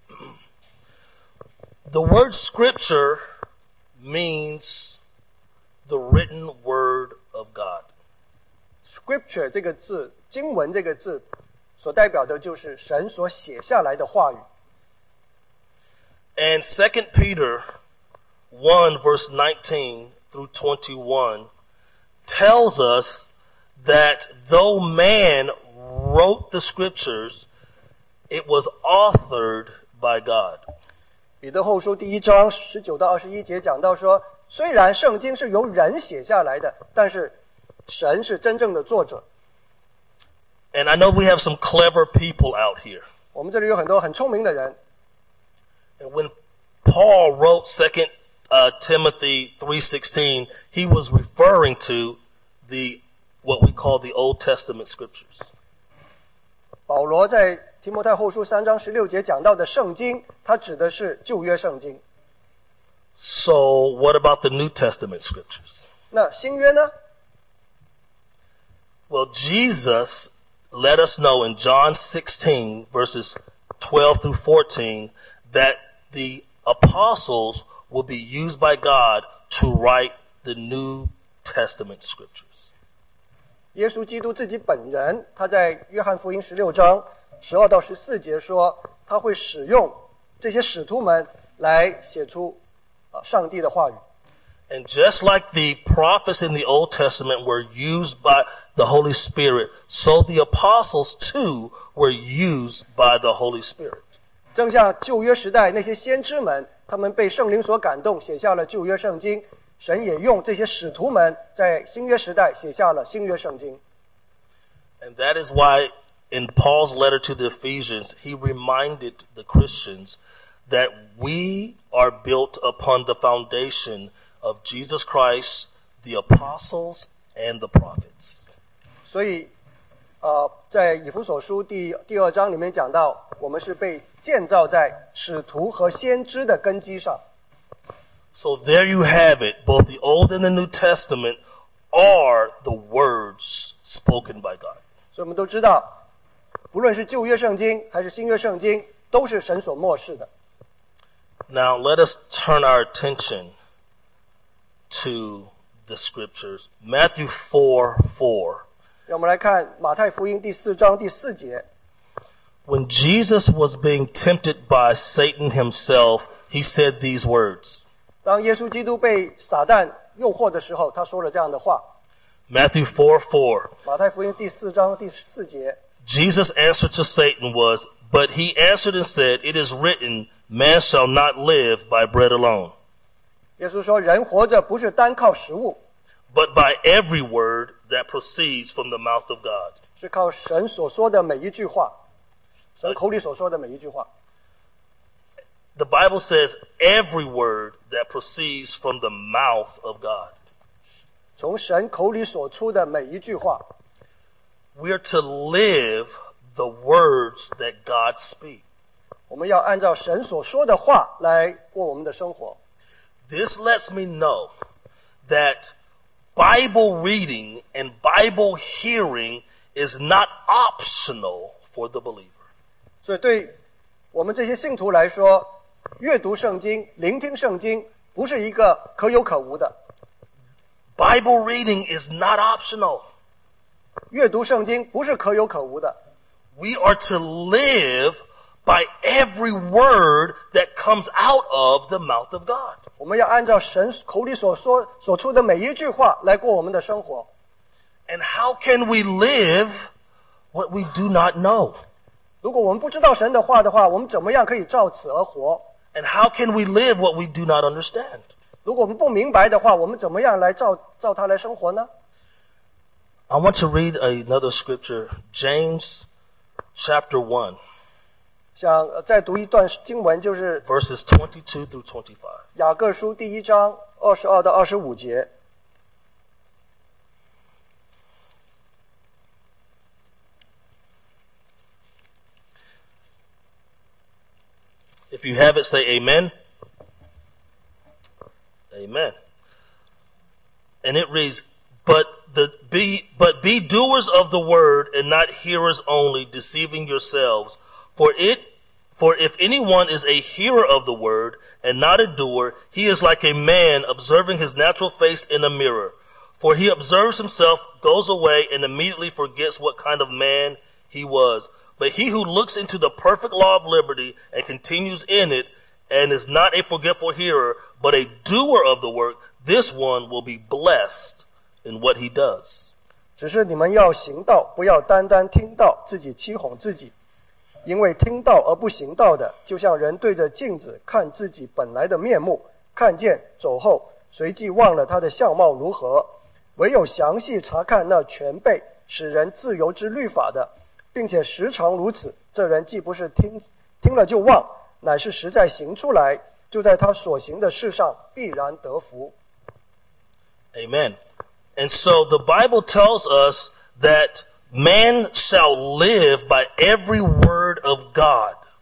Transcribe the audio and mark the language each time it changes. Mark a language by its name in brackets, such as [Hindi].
[Chinese] 它可以改变你的生命。The [English] word scripture means the written word of God. [Chinese] Scripture 这个字, 经文这个字, 所代表的就是神所写下来的话语。 [English] And 2 Peter 1 verse 19 through 21 tells us that though man wrote the scriptures, it was authored by God. [Chinese] 彼得后书第一章十九到二十一节讲到说，虽然圣经是由人写下来的，但是神是真正的作者。 [English] And I know we have some clever people out here. [Chinese] 我们这里有很多很聪明的人。 [English] And when Paul wrote 2 Timothy 3:16, he was referring to what we call the Old Testament scriptures. [Chinese] 保罗在提摩太后书三章十六节讲到的圣经，它指的是旧约圣经。 [English] So what about the New Testament scriptures? [Chinese] 那新约呢？ [English] Well, Jesus let us know in John 16 verses 12 through 14 that the apostles will be used by God to write the New Testament scriptures. [Chinese] 耶稣基督自己本人，他在约翰福音十六章十二到十四节说，他会使用这些使徒们来写出上帝的话语。 [English] And just like the prophets in the Old Testament were used by the Holy Spirit, so the apostles too were used by the Holy Spirit. [Chinese] 正像旧约时代那些先知们，他们被圣灵所感动，写下了旧约圣经，神也用这些使徒们在新约时代写下了新约圣经。 [English] And that is why in Paul's letter to the Ephesians, he reminded the Christians that we are built upon the foundation of Jesus Christ, the apostles, and the prophets. [Chinese] 所以，在以弗所书第二章里面讲到，我们是被建造在使徒和先知的根基上。 [English] So there you have it, both the Old and the New Testament are the words spoken by God. [Chinese] 所以我们都知道，不论是旧约圣经还是新约圣经，都是神所默示的。 [English] Now let us turn our attention to the scriptures. Matthew 4:4. [Chinese] 让我们来看马太福音第四章第四节。 [English] When Jesus was being tempted by Satan himself, he said these words. [Chinese] 当耶稣基督被撒旦诱惑的时候，他说了这样的话。 [English] Matthew 4:4. [Chinese] 马太福音第四章第四节。 [English] Jesus' answer to Satan was, but he answered and said, it is written, man shall not live by bread alone. [Chinese] 耶稣说，人活着不是单靠食物。 [English] But by every word that proceeds from the mouth of God. [Chinese] 是靠神所说的每一句话，神口里所说的每一句话。 [English] The Bible says, every word that proceeds from the mouth of God. [Chinese] 从神口里所出的每一句话。 [English] We are to live the words that God speaks. [Chinese] 我们要按照神所说的话来过我们的生活。 [English] This lets me know that Bible reading and Bible hearing is not optional for the believer. [Chinese] 所以对我们这些信徒来说，阅读圣经、聆听圣经不是一个可有可无的。 [English] Bible reading is not optional. [Chinese] 阅读圣经不是可有可无的。 [English] We are to live by every word that comes out of the mouth of God. [Chinese] 我们要按照神口里所出的每一句话来过我们的生活。 [English] And how can we live what we do not know? [Chinese] 如果我们不知道神的话的话，我们怎么样可以照此而活？ [English] And how can we live what we do not understand? [Chinese] 如果我们不明白的话，我们怎么样来照它来生活呢？ [English] I want to read another scripture, James chapter 1. [Chinese] 想再读一段经文，就是 [English] verses 22 through 25. [Chinese] 雅各书第一章二十二到二十五节。 [English] If you have it, say amen. Amen. And it reads, But be doers of the word and not hearers only, deceiving yourselves. For if anyone is a hearer of the word and not a doer, he is like a man observing his natural face in a mirror. For he observes himself, goes away, and immediately forgets what kind of man he was. But he who looks into the perfect law of liberty and continues in it and is not a forgetful hearer, but a doer of the work, this one will be blessed. In what he does. [Chinese] 只是你们要行道，不要单单听到，自己欺哄自己。因为听道而不行道的，就像人对着镜子看自己本来的面目，看见走后随即忘了他的相貌如何。唯有详细查看那全备使人自由之律法的，并且时常如此，这人既不是听了就忘，乃是实在行出来，就在他所行的事上必然得福。 [English] Amen. And so the Bible tells us that man shall live by every word of God.